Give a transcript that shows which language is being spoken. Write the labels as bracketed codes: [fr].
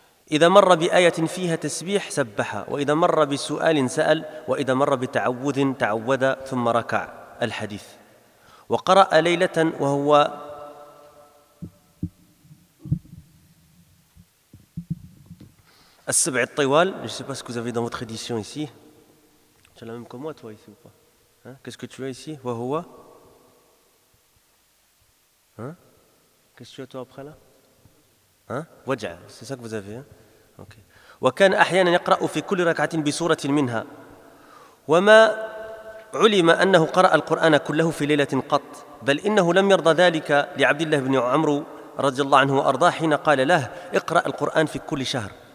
[ar] إذا مر بآية فيها تسبيح سبح وإذا مر بسؤال سأل وإذا مر بتعوذ تعوذ ثم ركع الحديث وقرأ ليلة وهو السبع الطوال. [fr] Je sais pas ce que vous avez dans votre édition ici. Tu as la même que moi toi ici ou pas? Qu'est-ce que tu as ici? [ar] وهو [fr] Qu'est-ce que tu as toi après là? وجع. C'est ça que vous avez, hein? Okay. [ar] وكان أحيانا يقرأ في كل ركعة بسورة منها وما علم أنه قرأ القرآن كله في ليلة قط، بل إنه لم يرضى ذلك لعبد الله بن عمرو رضي الله عنه وأرضاه حين قال له اقرأ القرآن في كل شهر.